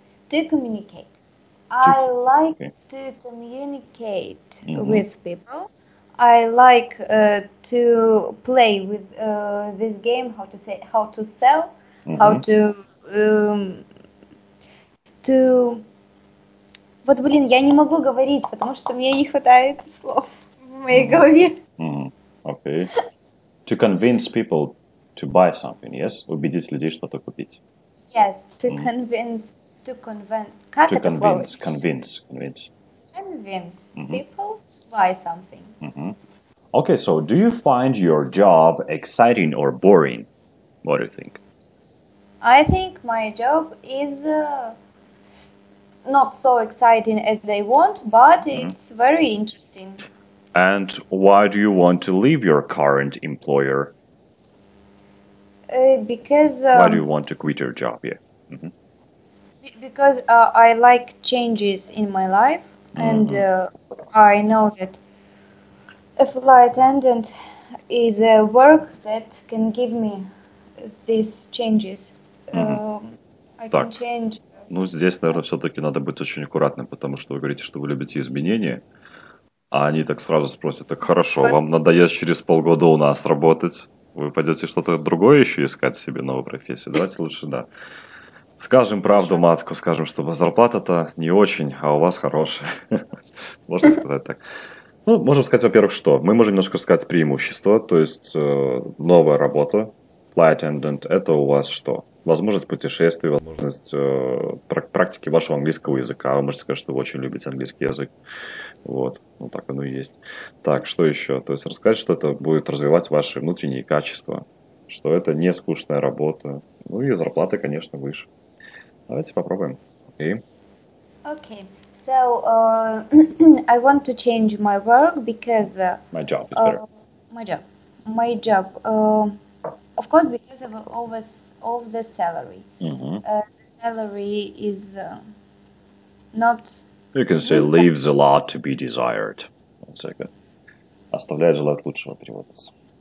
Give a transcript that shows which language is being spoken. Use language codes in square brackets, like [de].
[en] To communicate. I like to communicate mm-hmm. with people. I like to play with this game, how to say, how to sell, mm-hmm. how to... [ru] Вот, блин, я не могу говорить, потому что мне не хватает слов в моей mm-hmm. голове. [en] Mm-hmm. Okay. To convince people to buy something, yes? [ru] Убедить людей что-то купить. [en] Yes, to mm-hmm. convince people. To convince mm-hmm. people to buy something. Mm-hmm. Okay, so do you find your job exciting or boring? What do you think? I think my job is not so exciting as they want, but mm-hmm. it's very interesting. And why do you want to leave your current employer? Why do you want to quit your job? Yeah. Mm-hmm. Because I like changes in my life, and mm-hmm. I know that a flight attendant is a work that can give me these changes. Mm-hmm. I can change. [ru] Ну, здесь, наверное, все-таки надо быть очень аккуратным, потому что вы говорите, что вы любите изменения, а они так сразу спросят, так хорошо, вам надоест через полгода у нас работать, вы пойдете что-то другое еще искать себе, новую профессию. Давайте лучше, да. Скажем правду, матку, скажем, что зарплата-то не очень, а у вас хорошая. Можно сказать так. Ну, можем сказать, во-первых, что мы можем немножко сказать преимущество, то есть новая работа, flight attendant, это у вас что? Возможность путешествий, возможность практики вашего английского языка. Вы можете сказать, что вы очень любите английский язык. Вот, ну так оно и есть. Так, что еще? То есть рассказать, что это будет развивать ваши внутренние качества, что это не скучная работа. Ну и зарплата, конечно, выше. Давайте попробуем. Okay. [en] Okay. So I want to change my work because my job is better. My job. Of course, because of the salary. Mm-hmm. The salary is not. You can say leaves a lot to be desired. One second. [ru] Оставляет желать лучшего, переводится.